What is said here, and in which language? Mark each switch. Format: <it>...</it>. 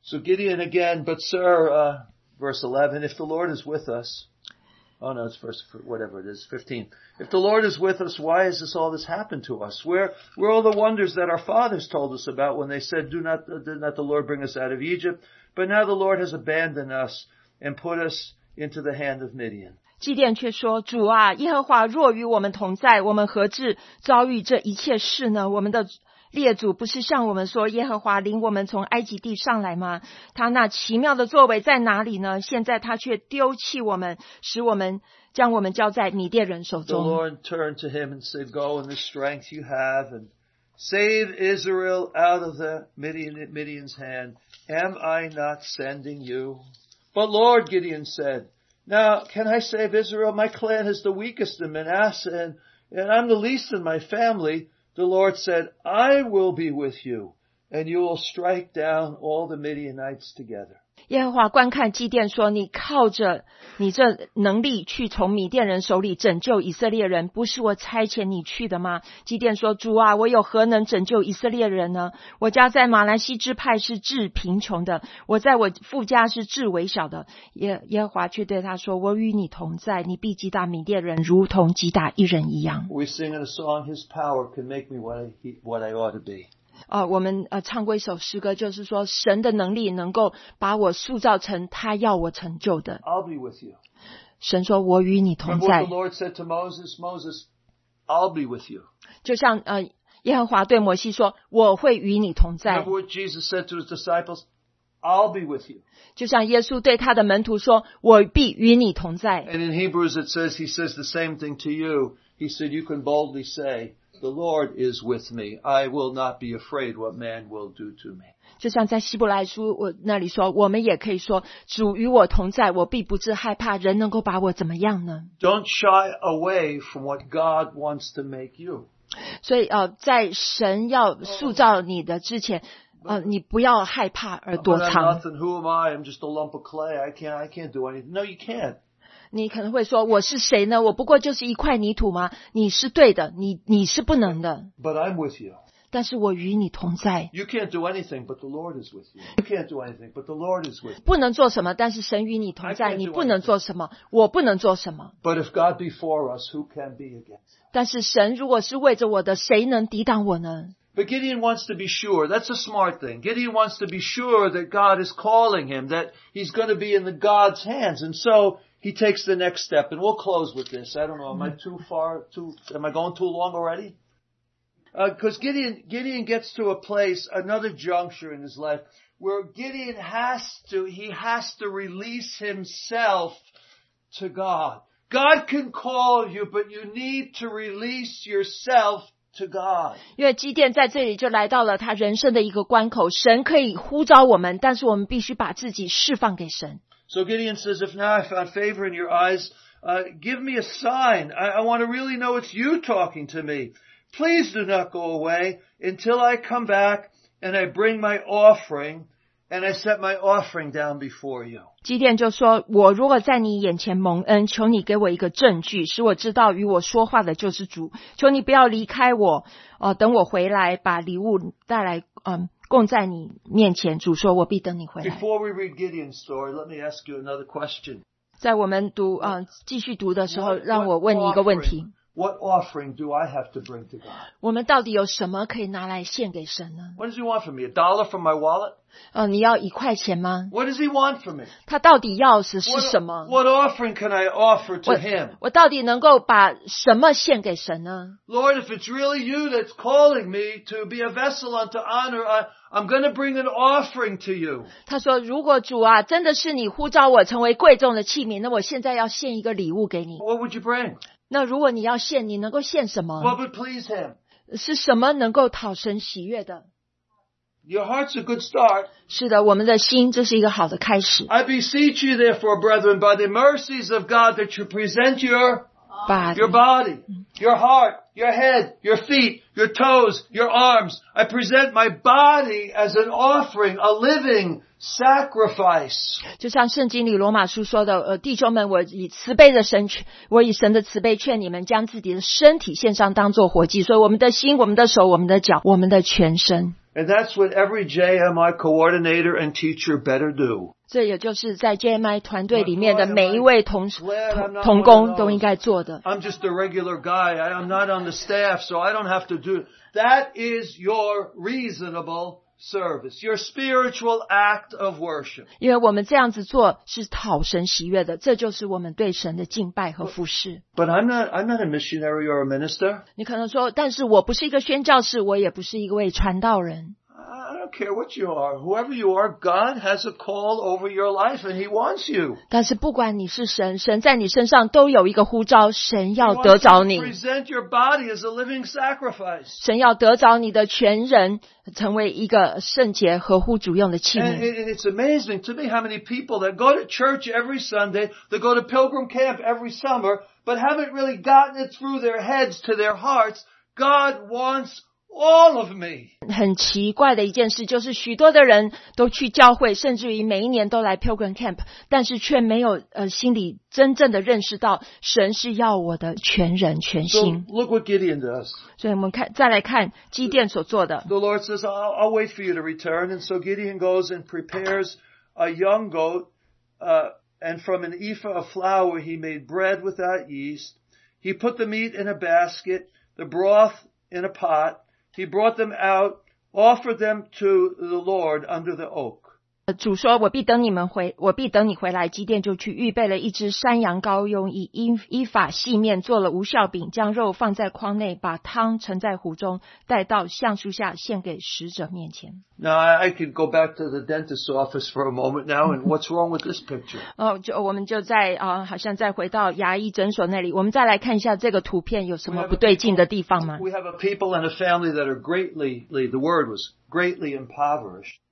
<en>So Gideon again, but sir, verse 11, if the Lord is with us,Oh, no, it's first, whatever it is, 15. If the Lord is with us, why has all this happened to us? Where are all the wonders that our fathers told us about when they said, did not the Lord bring us out of Egypt? But now the Lord has abandoned us and put us into the hand of Midian.</en> <zh>基甸却说，主啊，耶和华若与我们同在，我们何至遭遇这一切事呢？我们的列祖不是向我们说，耶和华领我们从埃及地上来吗？他那奇妙的作为在哪里呢？现在他却丢弃我们，使我们将我们交在米甸人手中。</zh> <en>The Lord turned to him and said, "Go in the strength you have, and save Israel out of the Midian's hand, Am I not sending you? But Lord, Gideon said, now can I save Israel? My clan is the weakest in Manasseh, and I'm the least in my family. The Lord said, I will be with you, and you will strike down all the Midianites together.</en> <zh>耶和华观看基甸说，你靠着你这能力去从米甸人手里拯救以色列人，不是我差遣你去的吗？基甸说，主啊，我有何能拯救以色列人呢？我家在马拿西支派是至贫穷的，我在我父家是至微小的。耶和华却对他说，我与你同在，你必击打米甸人如同击打一人一样。</zh> <en>We sing a song, his power can make me what I ought to be.</en> <zh>我们唱过一首诗歌，就是说神的能力能够把我塑造成他要我成就的。</zh> <en>I'll be with you.</en> <zh>神说我与你同在。</zh> <en>And what the Lord said to Moses, Moses, I'll be with you.</en> <zh>就像耶和华对摩西说，我会与你同在。</zh> <en>And what Jesus said to his disciples, I'll be with you.</en> <zh>就像耶稣对他的门徒说，我必与你同在。</zh> <en>And in Hebrews it says, he says the same thing to you. He said, you can boldly say,The Lord is with me. I will not be afraid what man will do to me.</en> <zh>就像在希伯来书那里说，我们也可以说，主与我同在，我必不致害怕，人能够把我怎么样呢？</zh> <en>Don't shy away from what God wants to make you.</en> <zh>所以在神要塑造你的之前你不要害怕而躲藏。</zh> <en>But I'm nothing. Who am I? I'm just a lump of clay. I can't do anything. No, you can't.</en> <zh>你可能会说，我是谁呢？我不过就是一块泥土吗？你是对的，你是不能的。</zh> <en>But I'm with you.</en> <zh>但是我与你同在。</zh> <en>You can't do anything, but the Lord is with you. You can't do anything, but the Lord is with you.</en> <zh>不能做什么，但是神与你同在。你不能做什么，我不能做什么。</zh> <en>But if God be for us, who can be against?</en> <zh>但是神如果是为着我的，谁能抵挡我呢？</zh> <en>But Gideon wants to be sure. That's a smart thing. Gideon wants to be sure that God is calling him, that he's going to be in the God's hands, and so. He takes the next step, and we'll close with this. I don't know, am I too far, am I going too long already? Because Gideon gets to a place, another juncture in his life, where Gideon has to release himself to God. God can call you, but you need to release yourself to God.</en> <zh>因为基甸在这里就来到了他人生的一个关口，神可以呼召我们，但是我们必须把自己释放给神。</zh> <en>So Gideon says, if now I found favor in your eyes, give me a sign. I want to really know it's you talking to me. Please do not go away until I come back and I bring my offering and I set my offering down before you.</en> <zh>基甸就说，我如果在你眼前蒙恩，求你给我一个证据，使我知道与我说话的就是主。求你不要离开我，等我回来把礼物带来，供在你面前，主说我必等你回来。</zh> <en>Before we read Gideon's story, let me ask you another question.</en> <zh>在我们读继续读的时候，让我问你一个问题。</zh> <en>What offering do I have to bring to God?</en> <zh>我们到底有什么可以拿来献给神呢？</zh> <en>What does he want from me? A dollar from my wallet?</en> <zh>你要一块钱吗？</zh> <en>What does he want from me?</en> <zh>他到底要的是什么？</zh> <en>What offering can I offer to him?</en> <zh>我到底能够把什么献给神呢？</zh> <en>Lord, if it's really you that's calling me to be a vessel unto honor, I'm going to bring an offering to you.</en> <zh>他说，如果主啊，真的是你呼召我成为贵重的器皿，那我现在要献一个礼物给你。</zh> <en>What would you bring?</en> <zh>那如果你要献，你能够献什么？</zh> <en>What would please him?</en> <zh>是什么能够讨神喜悦的？</zh> <en>Your heart's a good start.</en> <zh>是的，我们的心这是一个好的开始。</zh> <en>I beseech you therefore, brethren, by the mercies of God, that you present your body, your body, your heart, your head, your feet, your toes, your arms. I present my body as an offering, a living. Sacrifice.</en> <zh>就像圣经里罗马书说的，弟兄们，我以神的慈悲劝你们将自己的身体献上当作活祭。所以我们的心，我们的手，我们的脚，我们的全身。</zh> <en>And that's what every JMI coordinator and teacher better do.</en> <zh>这也就是在 JMI 团队里面的每一位同工都应该做的。</zh> <en>I'm just a regular guy. I'm not on the staff, so I don't have to do. That is your reasonable. Service, your spiritual act of worship.</en> <zh>因为我们这样子做是讨神喜悦的，这就是我们对神的敬拜和服侍。</zh> <en>But I'm not a missionary or a minister.</en> <zh>你可能说，但是我不是一个宣教士，我也不是一个传道人。</zh> <en>I don't care what you are, whoever you are, God has a call over your life and He wants you.</en> <zh>但是不管你是神，神在你身上都有一个呼召，神要得着你。</zh> <en>Present your body as a living sacrifice.</en> <zh>神要得着你的全人，成为一个圣洁合乎主用的器皿。</zh> <en>And it's amazing to me how many people that go to church every Sunday, that go to pilgrim camp every summer, but haven't really gotten it through their heads to their hearts, God wants all of me.</en> <zh>很奇怪的一件事就是许多的人都去教会，甚至于每一年都来 pilgrim camp, 但是却没有心里真正的认识到神是要我的全人全心。</zh> <en>So, look what Gideon does.</en> <zh>所以我们看再来看基甸所做的。</zh> <en>The Lord says, I'll wait for you to return. And so Gideon goes and prepares a young goat, and from an ephah of flour, he made bread without yeast. He put the meat in a basket, the broth in a pot,He brought them out, offered them to the Lord under the oak.</en> <zh>主说我必等你们回，我必等你回来。基甸就去预备了一只山羊羔，用以法细面做了无酵饼，将肉放在筐内，把汤盛在壶中，带到橡树下献给使者面前。</zh> <en>Now I could go back to the dentist's office for a moment now, and what's wrong with this picture?</en> <zh>就我们就在好像再回到牙医诊所那里，我们再来看一下这个图片有什么不对劲的地方吗</zh> <en>？We have a people and a family that are greatly, the word was greatly impoverished.</en>